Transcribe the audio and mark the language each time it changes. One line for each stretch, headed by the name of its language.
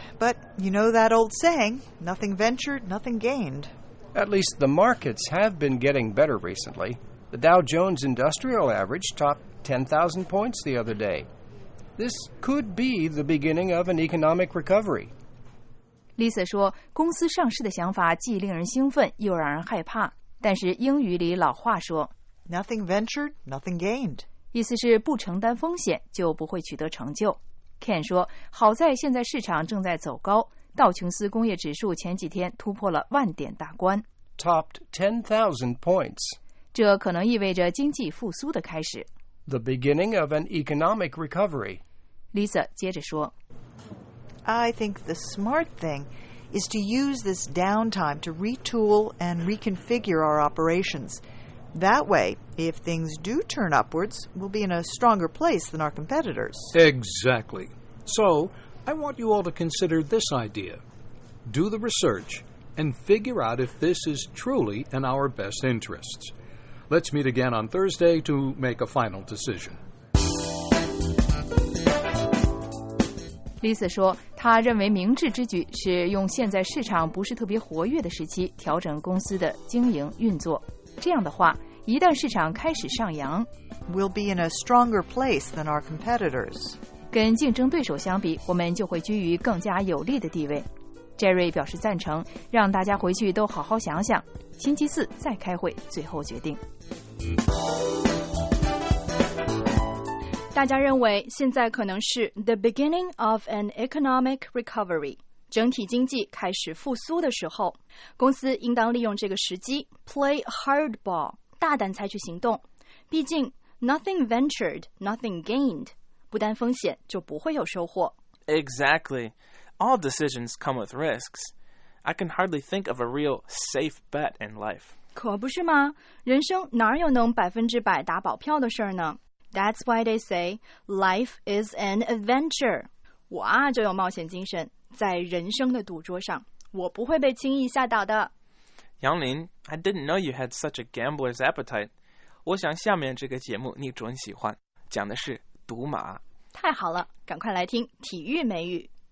English: But you know that old saying, nothing ventured, nothing gained. At least the markets have been getting better recently. The Dow Jones Industrial Average topped 10,000 points the other day. This could be the beginning of an economic recovery.
Chinese: Lisa 说，公司上市的想法既令人兴奋又让人害怕。但是英语里老话说
English: Nothing ventured, nothing gained.
Chinese: 意思是不承担风险就不会取得成就。Ken 说，好在现在市场正在走高，道琼斯工业指数前几天突破了万点大关。
English: Topped 10,000 points.
Chinese: 这可能意味着经济复苏的开始。
English: The beginning of an economic recovery.
Chinese: Lisa 接着说。
English: I think the smart thing is to use this downtime to retool and reconfigure our operations. That way, if things do turn upwards, we'll be in a stronger place than our competitors. Exactly. So, I want you all to consider this idea. Do the research and figure out if this is truly in our best interests. Let's meet again on Thursday to make a final decision.
Chinese: Lisa 说，他认为明智之举是用现在市场不是特别活跃的时期调整公司的经营运作。这样的话，一旦市场开始上扬
English: ，We'll be in a stronger place than our competitors.
Chinese: 跟竞争对手相比，我们就会居于更加有利的地位。 Jerry 表示赞成，让大家回去都好好想想，星期四再开会，最后决定。大家认为现在可能是
English: the beginning of an economic recovery，
Chinese: 整体经济开始复苏的时候，公司应当利用这个时机
English: play hardball，
Chinese: 大胆采取行动。毕竟
English: nothing ventured, nothing gained，
Chinese: 不担风险就不会有收获。
English: Exactly, all decisions come with risks. I can hardly think of a real safe bet in life.
Chinese: 可不是吗？人生哪有能100%打保票的事儿呢？
English: That's why they say life is an adventure.
Chinese: 我啊就有冒险精神，在人生的赌桌上，我不会被轻易吓倒的。
English: 杨林 ，I didn't know you had such a gambler's appetite.
Chinese: 我想下面这个节目你准喜欢，讲的是赌马。太好了，赶快来听体育美语。